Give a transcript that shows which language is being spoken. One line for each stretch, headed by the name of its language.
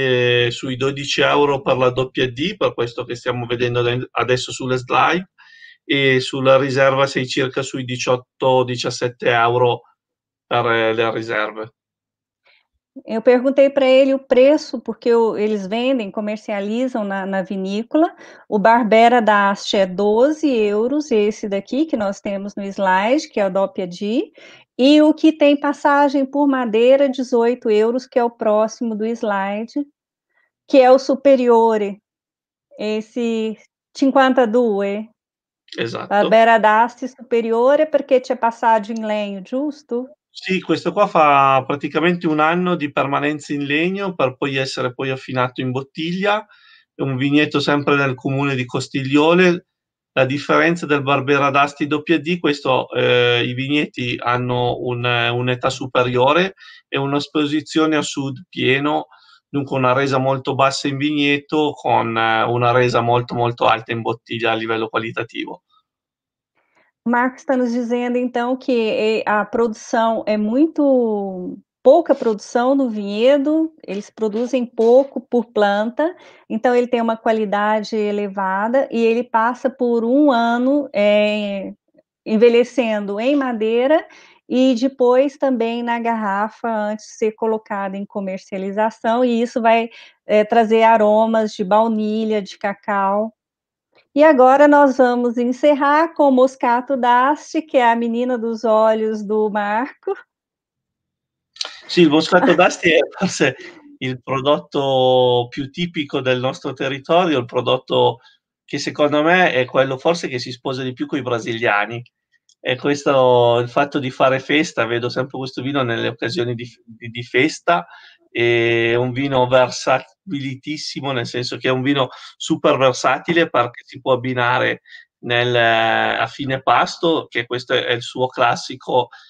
Italian: in cantina sui 12 euro per la doppia D, per questo che stiamo vedendo adesso sulle slide, e sulla riserva sei circa sui 18-17 euro per le riserve.
Portuguese: Eu perguntei para ele o preço, porque eles vendem, comercializam na vinícola. O Barbera d'Asti é 12 euros, esse daqui que nós temos no slide, que é o Doppia D, e o que tem passagem por madeira, 18 euros, que é o próximo do slide, que é o Superiore, esse 52.
Italian: Esatto. Barbera d'Asti superiore perché c'è passaggio in legno, giusto? Sì, questo qua fa praticamente un anno di permanenza in legno per poi essere poi affinato in bottiglia. È un vigneto sempre nel comune di Castiglione. La differenza del Barbera d'Asti WD, questo, i vigneti hanno un'età superiore e un'esposizione a sud pieno, dunque una resa molto bassa in vigneto con una resa molto molto alta in bottiglia a livello qualitativo.
Portuguese: Marco está nos dizendo então que a produção é muito pouca produção no vinhedo, eles produzem pouco por planta, então ele tem uma qualidade elevada e ele passa por um ano envelhecendo em madeira e depois também na garrafa antes de ser colocado em comercialização, e isso vai trazer aromas de baunilha, de cacau. E agora nós vamos encerrar com o Moscato d'Asti, que é a menina dos olhos do Marco.
Italian: Sì, il Moscato d'Asti è forse il prodotto più tipico del nostro territorio, il prodotto che secondo me è quello forse che si sposa di più con i brasiliani. E questo, il fatto di fare festa, vedo sempre questo vino nelle occasioni di festa, è un vino versabilitissimo, nel senso che è un vino super versatile perché si può abbinare a fine pasto, che questo è il suo classico.